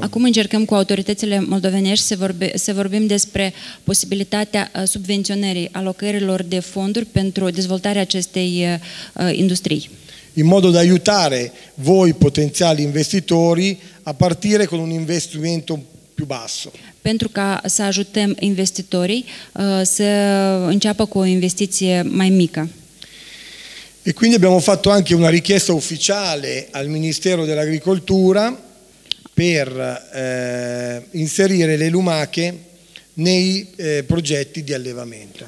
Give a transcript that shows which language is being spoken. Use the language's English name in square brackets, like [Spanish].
[Romanian] Acum încercăm cu autoritățile moldovenești să vorbim despre posibilitatea subvenționării alocărilor de fonduri pentru dezvoltarea acestei industrii. [Italian] In modo da aiutare voi potenziali investitori a partire con un investimento più basso. [Romanian] Pentru ca să ajutăm investitorii să înceapă cu o investiție mai mică. [Italian] E quindi abbiamo fatto anche una richiesta ufficiale al Ministero dell'Agricoltura per inserire le lumache nei progetti di allevamento.